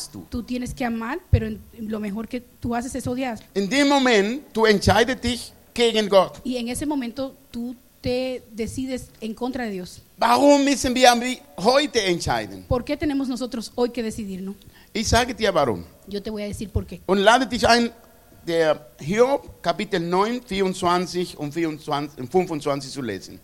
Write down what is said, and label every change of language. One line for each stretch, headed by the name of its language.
Spanish: tú tienes que amar, pero lo mejor que tú haces es odiar. En ese momento, tú
German: entscheidest dich gegen Gott.
Spanish: Y en ese momento, tú te decides en contra de Dios.
German: Warum müssen wir heute entscheiden?
Spanish: ¿Por qué tenemos nosotros hoy que decidirnos?
German: Ich sage dir warum.
Spanish: Yo te voy a decir por qué.
German: Und lade dich ein, der Hiob, Kapitel 9, 24 und 24, 25 zu lesen.